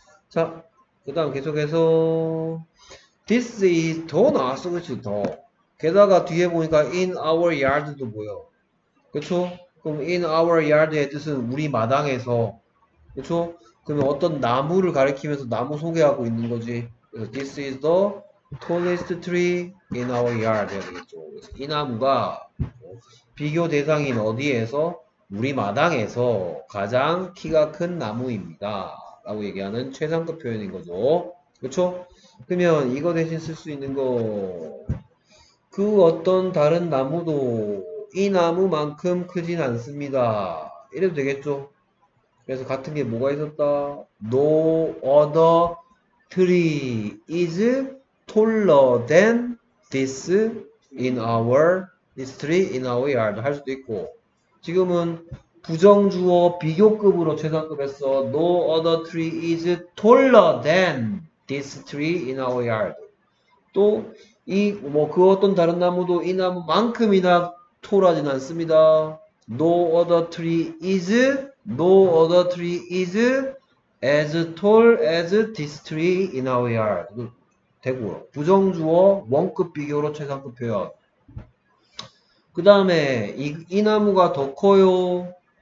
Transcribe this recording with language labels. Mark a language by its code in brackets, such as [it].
[ko] 자, 그다음 계속해서 [en] this is [ko] 더 나왔어 그렇지 더. 게다가 뒤에 보니까 [en] in our yard [ko] 도 보여. 그쵸? 그럼 [en] in our yard [ko] 의 뜻은 우리 마당에서. 그쵸? 그러면 어떤 나무를 가리키면서 나무 소개하고 있는 거지. 그래서 [en] this is the tallest tree in our yard. [ko] 그래서 이 나무가 비교 대상인 어디에서? 우리 마당에서 가장 키가 큰 나무입니다. 라고 얘기하는 최상급 표현인 거죠. 그쵸? 그러면 이거 대신 쓸 수 있는 거. 그 어떤 다른 나무도 이 나무만큼 크진 않습니다. 이래도 되겠죠? 그래서 같은 게 뭐가 있었다? [en] No other tree is taller than this in our this tree in our yard [ko] 할 수도 있고, 지금은 부정주어 비교급으로 최상급 했어. [en] No other tree is taller than this tree in our yard. [ko] 또 이 뭐 그 어떤 다른 나무도 이 나무만큼이나 토라진 않습니다. [en] No other tree is No other tree is as tall as this tree in our yard. [ko] 대구요. 부정주어 원급 비교로 최상급 표현. 그 다음에 이 나무가 더 커요.